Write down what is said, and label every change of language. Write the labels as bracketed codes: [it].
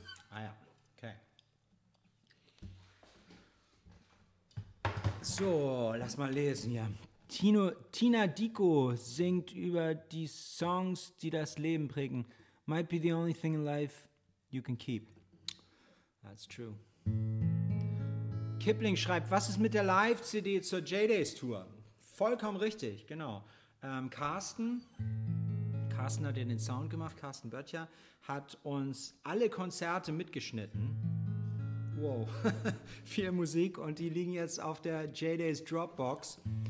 [de] Ah ja, okay. So, lass mal lesen hier. Tina Dico singt über die Songs, die das Leben prägen. [en] Might be the only thing in life you can keep. That's true. [de] Kipling schreibt, was ist mit der Live-CD zur J-Days-Tour? Vollkommen richtig, genau. Carsten hat den Sound gemacht, Carsten Böttcher, hat uns alle Konzerte mitgeschnitten. Wow, viel Musik und die liegen jetzt auf der J-Days Dropbox.